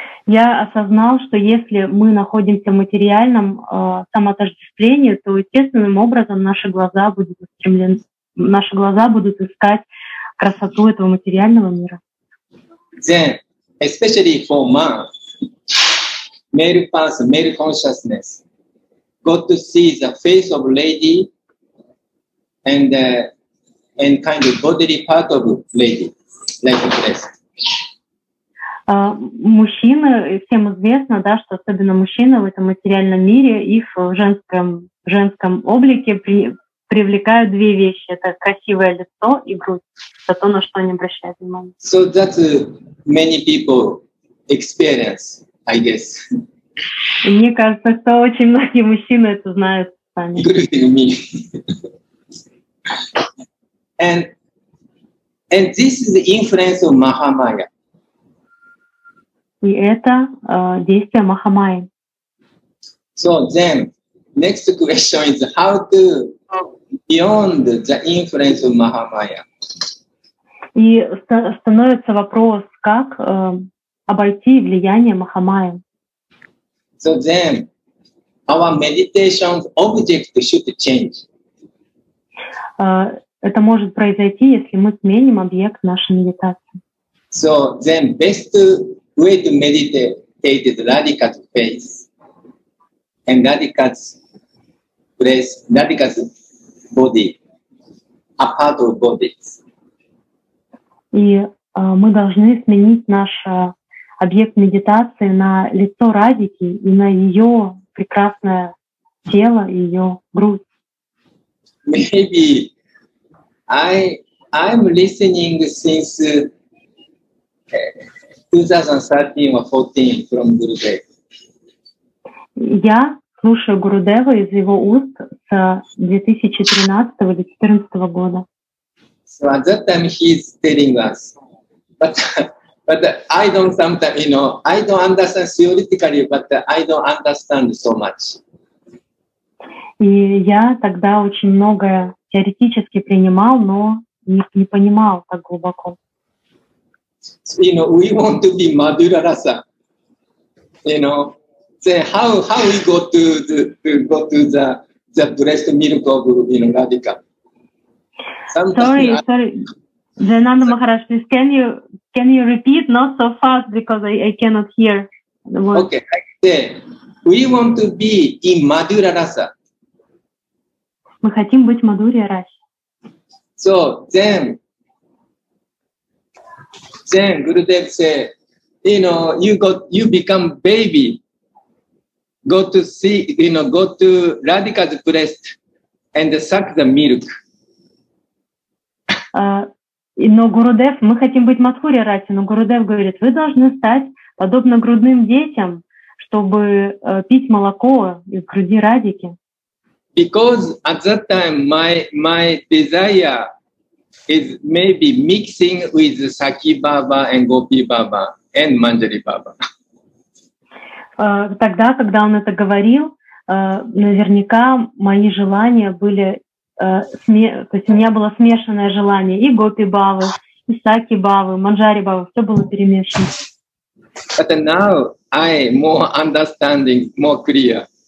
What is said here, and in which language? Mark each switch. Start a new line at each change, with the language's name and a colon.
Russian: Я осознал, что если мы находимся в материальном самоотождествлении, то естественным образом наши глаза будут искать красоту этого материального мира.
English: Then, especially for man, male person, male consciousness, got to see the face of lady and kind of bodily part of lady, like breast.
Russian: Мужчины, всем известно, да, что особенно мужчины в этом материальном мире, их в женском облике привлекают две вещи. Это красивое лицо и грудь. Это то, на что они обращают внимание.
English: So that's many people experience, I guess.
Russian: И мне кажется, что очень многие мужчины это знают сами.
English: And this is the influence of Mahamaya.
Russian: И это действие Махамайи.
English: So then, next question is how to beyond the influence of Mahamaya.
Russian: И становится вопрос, как обойти влияние Махамайи.
English: So then, our meditation object should change.
Russian: Это может произойти, если мы сменим объект нашей медитации.
English: So then, best to way to meditate is Radhika's face and Radhika's breast, Radhika's body, a part of bodies.
Russian: И мы должны сменить наш объект медитации на лицо Радики и на ее прекрасное тело, ее грудь.
English: Maybe I'm listening since 2013 or 2014 from
Russian: Gurudev. Я слушаю Гурудева из его уст с 2013 или 2014 года.
English: So at that time he's telling us, but I don't sometimes, you know, I don't understand theoretically, but I don't understand so much.
Russian: И я тогда очень многое теоретически принимал, но не понимал так глубоко.
English: So, you know, we want to be Madhura Rasa. You know, then how we go to go to the breast milk of, you know, Radhika? Sorry. Jayananda Maharaj, please can you repeat not so fast because I cannot hear the word. Okay, so, we want to be in Madhura Rasa.
Russian: Мы хотим быть Madhura Rasa.
English: So then Gurudev said, you know, you become baby. Go to see, you know, go to Radhika's breast and suck the milk.
Russian: Но Гурудев, мы хотим быть Мадхури Раси, но Гурудев говорит, вы должны стать подобно грудным детям, чтобы пить молоко из груди Радики.
English: Because at that time my desire is maybe mixing with Saki Baba and Gopi Baba and Manjari Baba.
Russian: Тогда, когда он это говорил, наверняка мои желания были, то есть у меня было смешанное желание и Гопи Бабы, и Саки Бабы, Манджари Бабы, все было перемешано.
English: But now I more understanding, more clear.